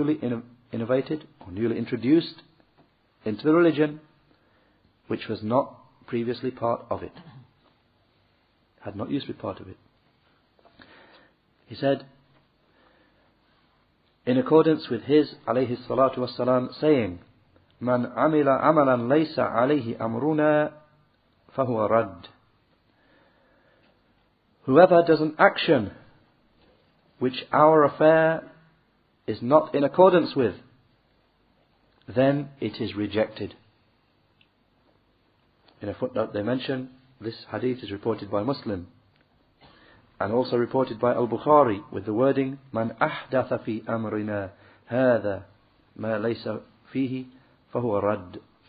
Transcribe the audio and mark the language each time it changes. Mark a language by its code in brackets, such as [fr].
[en] That which has been newly introduced into the religion, which was not previously part of it, had not used to be part of it. He said, in accordance with his alayhi salatu wassalam saying, [ar] من عمل عملا ليس عليه أمرنا فهو رد. [en] Whoever does an action which our affair is not in accordance with, then it is rejected. In a footnote they mention, this hadith is reported by Muslim, and also reported by Al-Bukhari with the wording, [ar] من أحدث في أمرنا هذا ما ليس فيه فهو رد.